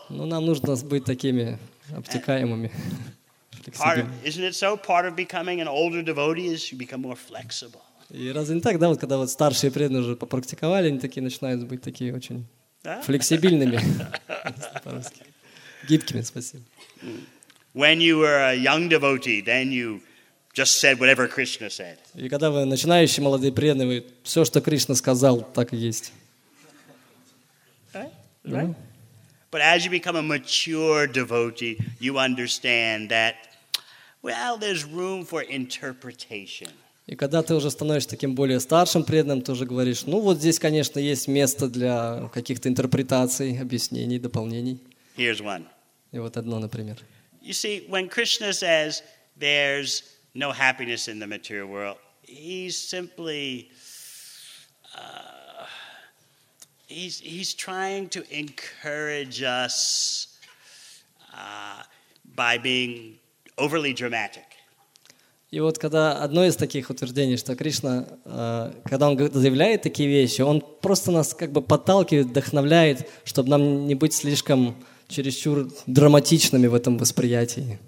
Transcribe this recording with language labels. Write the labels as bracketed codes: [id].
[ru] Ну, нам нужно быть такими обтекаемыми. [en] Isn't it so? Part of becoming an older devotee is you become more flexible. [ru] И разве не так, да, вот когда вот старшие преданные уже попрактиковали, они такие начинают быть такие очень флексибильными. Гибкими, спасибо. [en] When you were a young devotee, then you just said whatever Krishna said. [ru] И когда вы начинающий молодой преданный, вы все, что Кришна сказал, так и есть. [en] But as you become a mature devotee, you understand that, well, there's room for interpretation. [ru] И когда ты уже становишься таким более старшим преданным, ты уже говоришь, ну вот здесь, конечно, есть место для каких-то интерпретаций, объяснений, дополнений. [en] Here's one. [ru] И вот одно, например. [en] You see, when Krishna says there's no happiness in the material world, he's simply He's trying to encourage us by being overly dramatic. [ru] И вот когда одно из таких утверждений, что Кришна, когда он заявляет такие вещи, он просто нас как бы подталкивает, вдохновляет, чтобы нам не быть слишком чересчур драматичными в этом восприятии.